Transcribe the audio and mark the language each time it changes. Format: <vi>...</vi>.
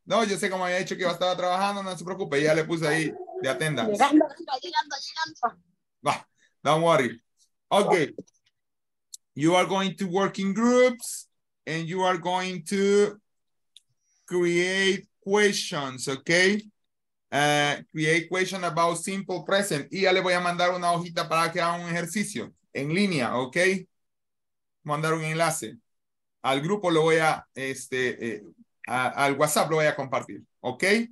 <es>No, yo sé cómo había dicho que iba a estar trabajando, no se preocupe, ya le puse ahí de atendas. Llegando.</es> <en>Don't worry. Okay. You are going to work in groups and you are going to create questions, okay? create question about simple present.</en> <es>Y ya le voy a mandar una hojita para que haga un ejercicio en línea, ¿ok? Mandar un enlace. Al grupo lo voy a, al WhatsApp lo voy a compartir, ¿ok?</es>